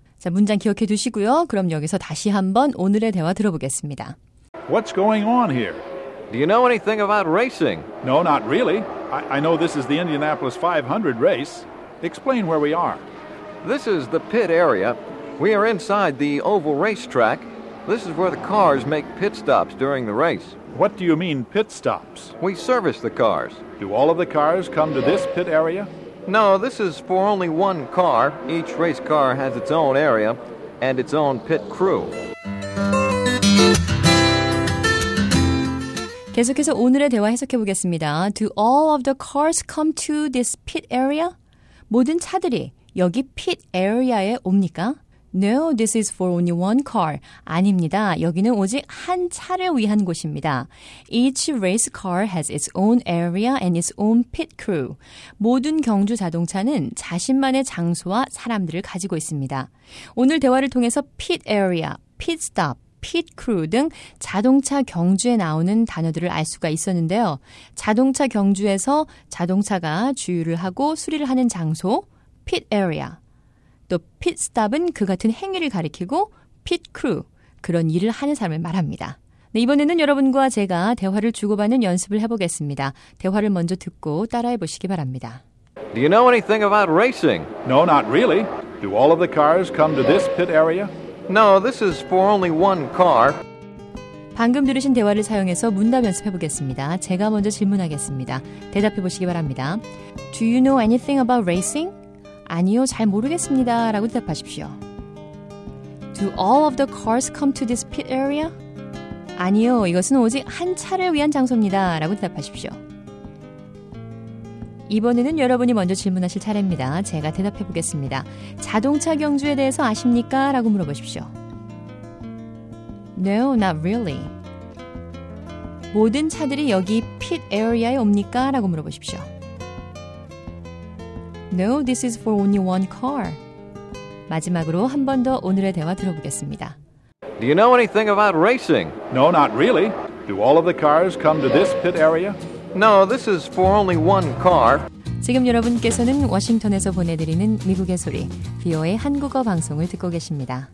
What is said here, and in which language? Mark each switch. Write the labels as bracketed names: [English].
[Korean] 자, 문장 기억해 두시고요. 그럼 여기서 다시 한번 오늘의 대화 들어보겠습니다. [English] What's going on here? Do you know anything about racing? No, not really. I know this is the Indianapolis 500 race. Explain where we are. This is the pit area. We are inside the oval racetrack. This is where the cars make pit stops during the race. What do you mean, pit stops? We service the cars. Do all of the cars come to this pit area? No, this is for only one car. Each race car has its own area and its own pit crew. [Korean] 계속해서 오늘의 대화 해석해 보겠습니다. [English] Do all of the cars come to this pit area? [Korean] 모든 차들이 여기 pit area에 옵니까? [English] No, this is for only one car. [Korean] 아닙니다. 여기는 오직 한 차를 위한 곳입니다. [English] Each race car has its own area and its own pit crew. [Korean] 모든 경주 자동차는 자신만의 장소와 사람들을 가지고 있습니다. 오늘 대화를 통해서 pit area, 핏스톱, 핏크루 등 자동차 경주에 나오는 단어들을 알 수가 있었는데요. 자동차 경주에서 자동차가 주유를 하고 수리를 하는 장소, pit area. 또 핏스톱은 그 같은 행위를 가리키고 핏크루, 그런 일을 하는 사람을 말합니다. 네, 이번에는 여러분과 제가 대화를 주고받는 연습을 해보겠습니다. 대화를 먼저 듣고 따라해보시기 바랍니다. [English] Do you know anything about racing? No, not really. Do all of the cars come to this pit area? No, this is for only one car. [Korean] 방금 들으신 대화를 사용해서 문답 연습해보겠습니다. 제가 먼저 질문하겠습니다. 대답해보시기 바랍니다. [English] Do you know anything about racing? [Korean] 아니요, 잘 모르겠습니다. 라고 대답하십시오. [English] Do all of the cars come to this pit area? [Korean] 아니요, 이것은 오직 한 차를 위한 장소입니다. 라고 대답하십시오. 이번에는 여러분이 먼저 질문하실 차례입니다. 제가 대답해보겠습니다. 자동차 경주에 대해서 아십니까? 라고 물어보십시오. [English] No, not really. [Korean] 모든 차들이 여기 pit area에 옵니까? 라고 물어보십시오. [English] No, this is for only one car. [Korean] 마지막으로 한 번 더 오늘의 대화 들어보겠습니다. [English] Do you know anything about racing? No, not really. Do all of the cars come to this pit area? No, this is for only one car. [Korean] 지금 여러분께서는 워싱턴에서 보내드리는 미국의 소리, VOA 한국어 방송을 듣고 계십니다.